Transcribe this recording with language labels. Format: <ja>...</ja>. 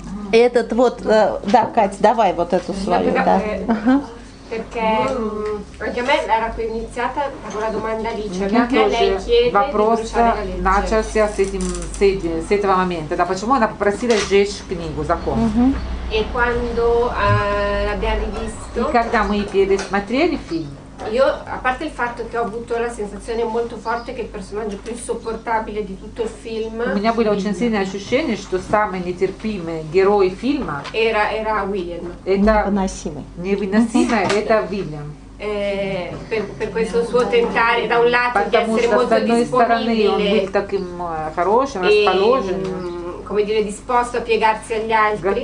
<ru>Этот вот, да, Кать, давай вот эту свою, да.</ru> <it>Perché anche a me era iniziata con la domanda Alice, perché lei chiede di bruciare la legge.</it> <ru>Почему она попросила сжечь книгу, закон?</ru> <it>E quando l'abbiamo rivisto?</it> <ru>Когда мы пересмотрели фильм?</ru> <it>Io, a parte il fatto che ho avuto la sensazione molto forte che il personaggio più insopportabile di tutto il film.</it> <ru>У меня было очень сильное ощущение, что самый нетерпимый герой фильма</ru> <it>era William.</it> <ru>Невыносимый это Уильям.</ru> <it>Per questo suo tentare da un lato di essere molto disponibile.</it> <ru>Хорошим, расположенным,</ru> <it>come dire, disposto a piegarsi agli altri.</it>